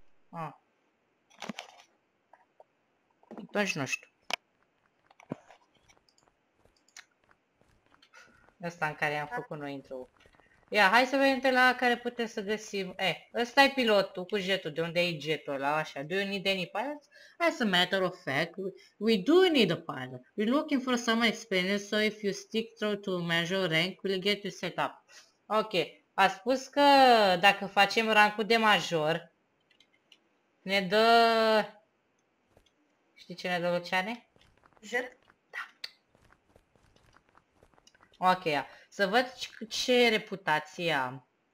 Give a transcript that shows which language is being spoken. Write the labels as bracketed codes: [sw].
[ro] A. Atunci nu știu. Ăsta în care am făcut noi intro-ul. Ia, hai să vedem de la care putem să găsim. Ăsta e pilotul cu jetul. De unde e jetul ăla, așa? [en] Do you need any pilots? As a matter of fact, we do need a pilot. We're looking for some experience, so if you stick through to major rank, we'll get you set up. [ro] Ok, a spus că dacă facem rankul de major, ne dă... Știi ce ne dă, Luciane? Jet? Da. Ok, ia. Să văd ce reputație am.